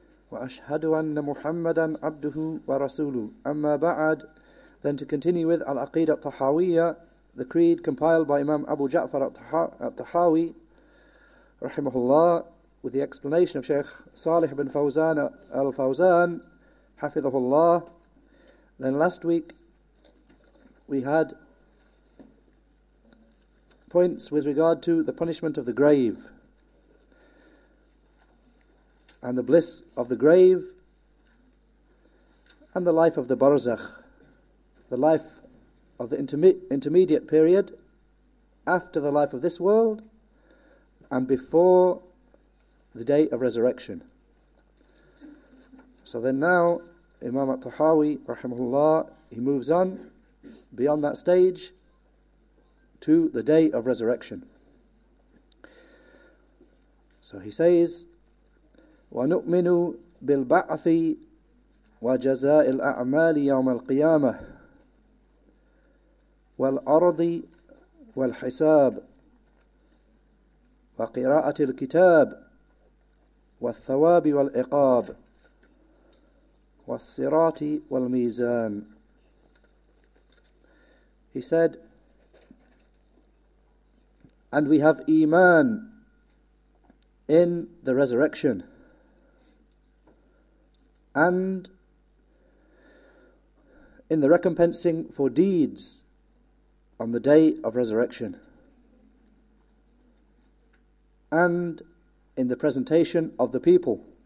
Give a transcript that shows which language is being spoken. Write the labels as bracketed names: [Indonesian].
[Arabic] وأشهد أن محمدا عبده ورسوله أما بعد [English] Then to continue with Al-Aqeed al-Tahawiyya, the creed compiled by Imam Abu Ja'far al-Tahawi, rahimahullah, with the explanation of Shaykh Salih bin Fawzan al-Fawzan, hafidhahullah. Then last week we had points with regard to the punishment of the grave and the bliss of the grave and the life of the barzakh, the life of the intermediate period after the life of this world and before the day of resurrection. So then now Imam al-Tahawi, rahimahullah, he moves on beyond that stage to the day of resurrection. So he says, [Arabic] وَنُؤْمِنُ بِالْبَعْثِ وَجَزَاءِ الْأَعْمَالِ يَوْمَ الْقِيَامَةِ والأرض والحساب وقراءة الكتاب والثواب والعقاب والصراط والميزان. [English] He said, and we have iman in the resurrection and in the recompensing for deeds on the day of resurrection, and in the presentation of the people,